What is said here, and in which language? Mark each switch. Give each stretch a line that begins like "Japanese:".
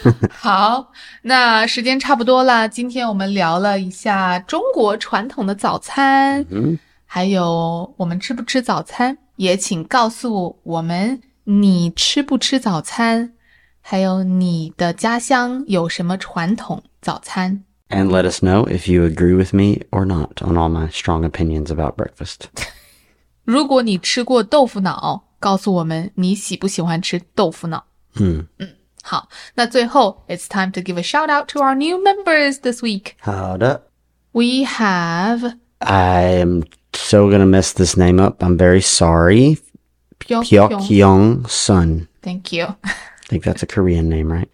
Chinese: 好，那时间差不多了，今天我们聊了一下中国传统的早餐、 mm-hmm. 还有我们吃不吃早餐，也请告诉我们你吃不吃早餐，还有你的家乡有什么传统早餐。
English: And let us know if you agree with me or not on all my strong opinions about breakfast.
Chinese: 如果你吃过豆腐脑，告诉我们你喜不喜欢吃豆腐脑。嗯嗯，好，那最后
English: it's time to give a shout out to our new members this week.
Chinese: 好的。
English: We have... I am so gonna mess this name up. I'm very sorry. Pyokyong Sun. Thank you. I think that's a Korean name, right?